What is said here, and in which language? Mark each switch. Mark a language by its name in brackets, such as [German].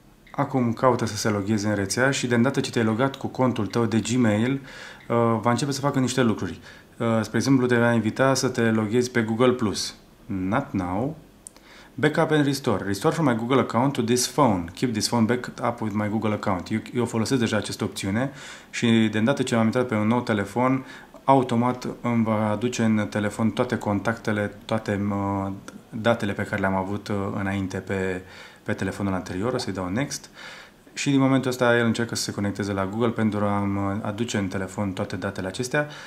[Romanian] Acum caută să se logheze în rețea și de îndată ce te-ai logat cu contul tău de Gmail, va începe să facă niște lucruri. Spre exemplu, te va invita să te loghezi pe Google+. [English] Not now. Backup and restore. Restore from my Google account to this phone. Keep this phone backed up with my Google account. [Romanian] Eu folosesc deja această opțiune și de îndată ce am intrat pe un nou telefon, automat îmi va aduce în telefon toate contactele, toate datele pe care le-am avut înainte pe telefonul anterior, o să-i dau Next. Și din momentul ăsta el încearcă să se conecteze la Google pentru a aduce în telefon toate datele acestea.